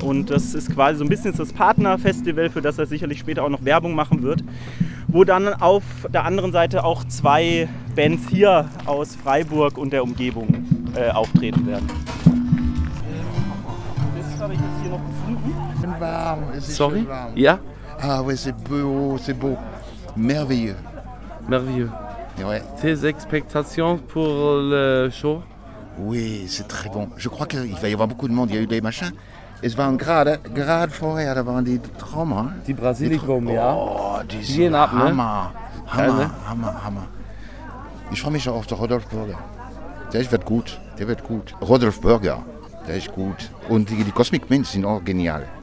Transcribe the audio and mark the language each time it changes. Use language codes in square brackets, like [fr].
[de] Und das ist quasi so ein bisschen das Partnerfestival, für das er sicherlich später auch noch Werbung machen wird. Wo dann auf der anderen Seite auch zwei Bands hier aus Freiburg und der Umgebung auftreten werden. Das habe ich jetzt hier noch gefunden. Warm. Ist [en] sorry? [de] Warm. Ja? [fr] Ah oui, c'est beau, merveilleux. Merveilleux. Ouais. Tes expectations pour le show? Oui, c'est très bon. Je crois qu'il va y avoir beaucoup de monde, il y a eu des machins. [de] Es waren gerade vorher, da waren die Trommer. Die Brasilikum, ja. Oh, die sind Hammer. Hammer, Hammer, Hammer. Ich freue mich auf den Rodolf Burger. Der wird gut. Rudolf Burger, der ist gut. Und die Cosmic Mints sind auch genial.